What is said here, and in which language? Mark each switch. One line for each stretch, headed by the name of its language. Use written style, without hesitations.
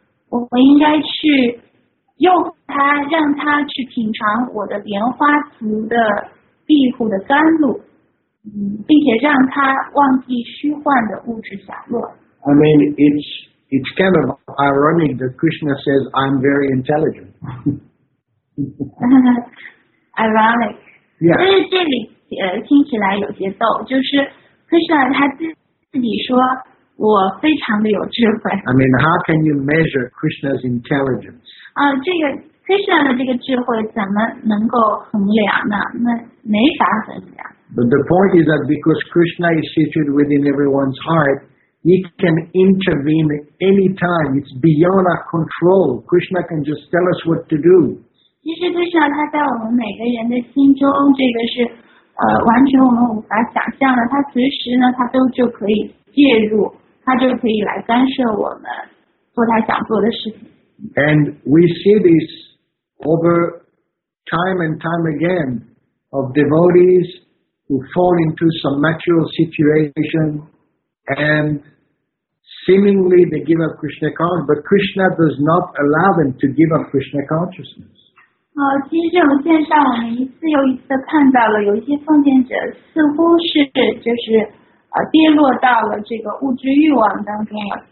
Chinese: 我应该去诱惑他，让他去品尝我的莲花族的。庇护的甘露，并且让他忘记虚幻的物质享乐。
English: I mean, it's kind of ironic that Krishna says I'm very intelligent. ironic. Yeah.
Chinese: 但是这里听起来有些逗，就是 Krishna 他自己说我非常的有智慧。
English: I mean, how can you measure Krishna's intelligence?
Chinese: 这个。Krishna 的这个智慧怎么能够衡量呢？那没法衡量。
English: But the point is that because Krishna is situated within everyone's heart, he can intervene any time. It's beyond our control. Krishna can just tell us what to do.
Chinese: 其实 Krishna 他在我们每个人的心中，这个是完全我们无法想象的。他随时呢，他都就可以介入，他就可以来干涉我们做他想做的事情。
English: And we see this over time and time again of devotees who fall into some material situation and seemingly they give up Krishna consciousness, but Krishna does not allow them to give up Krishna consciousness.
Chinese: 其实这种现象我们一次又一次地看到了，有一些奉献者似乎是就是跌落到了这个物质欲望当中了。